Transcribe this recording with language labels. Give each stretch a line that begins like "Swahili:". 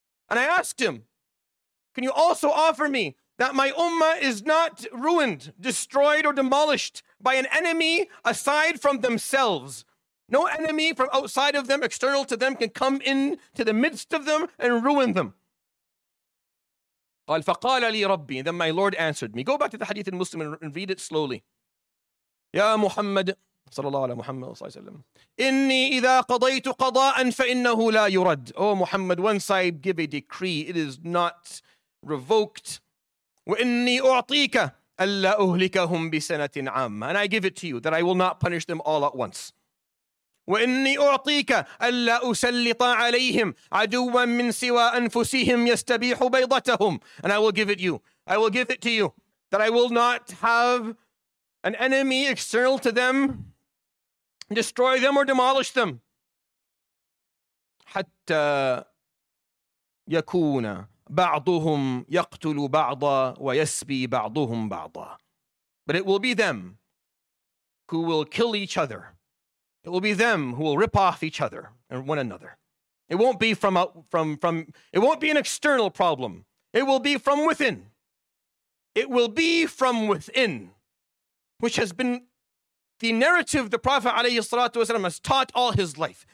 English: And I asked him, can you also offer me that my ummah is not ruined, destroyed, or demolished by an enemy aside from themselves, No enemy from outside of them, external to them, can come in to the midst of them and ruin them.
Arabic: قال فقال لي ربي.
English: Then my Lord answered me. Go back to the hadith in Muslim and read it slowly.
Arabic: يا محمد صلى الله على محمد صلى الله عليه وسلم إني إذا قضيت قضاء فإنه لا يرد.
English: Oh Muhammad, once I give a decree, it is not revoked.
Arabic: وإني أعطيك ألا أهلكهم بسنة عامة.
English: And I give it to you that I will not punish them all at once.
Arabic: وإني أعطيك ألا أسلط عليهم عدوا من سوى أنفسهم يستبيح بيضتهم.
English: And I will give it you. I will give it to you that I will not have an enemy external to them destroy them or demolish them.
Arabic: حتى يكون بعضهم يقتل بعضا ويسبي بعضهم بعضا.
English: But it will be them who will kill each other. It will be them who will rip off each other and one another. It won't be from it won't be an external problem. It will be from within. It will be from within, which has been the narrative the Prophet alayhi salatu wasalam has taught all his life.